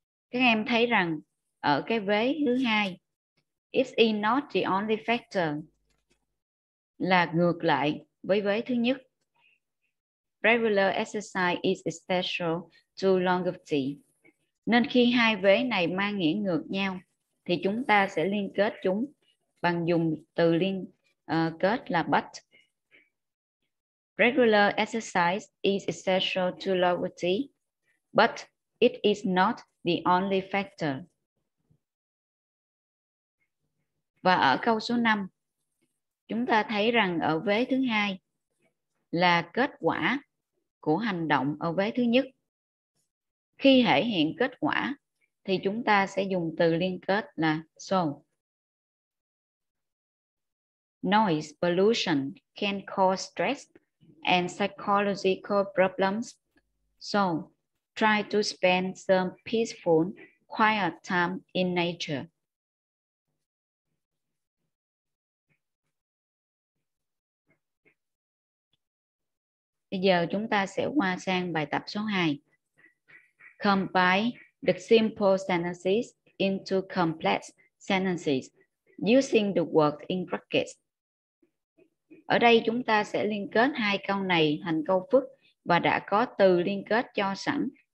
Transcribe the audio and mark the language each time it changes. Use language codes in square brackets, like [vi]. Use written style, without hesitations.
[vi] Các em thấy rằng ở cái vế thứ hai, [en] it is not the only factor, [vi] là ngược lại với vế thứ nhất. [en] Regular exercise is essential to longevity. [vi] Nên khi hai vế này mang nghĩa ngược nhau, thì chúng ta sẽ liên kết chúng bằng dùng từ liên kết là but. [en] Regular exercise is essential to longevity, but it is not the only factor. [vi] Và ở câu số 5, chúng ta thấy rằng ở vế thứ hai là kết quả của hành động ở vế thứ nhất. Khi thể hiện kết quả thì chúng ta sẽ dùng từ liên kết là so. [en] Noise pollution can cause stress and psychological problems. So, try to spend some peaceful, quiet time in nature. [vi] Bây giờ chúng ta sẽ qua sang bài tập số 2. [en] Combine the simple sentences into complex sentences using the word in brackets. [vi] Ở đây chúng ta sẽ liên kết hai câu này thành câu phức và đã có từ liên kết cho sẵn.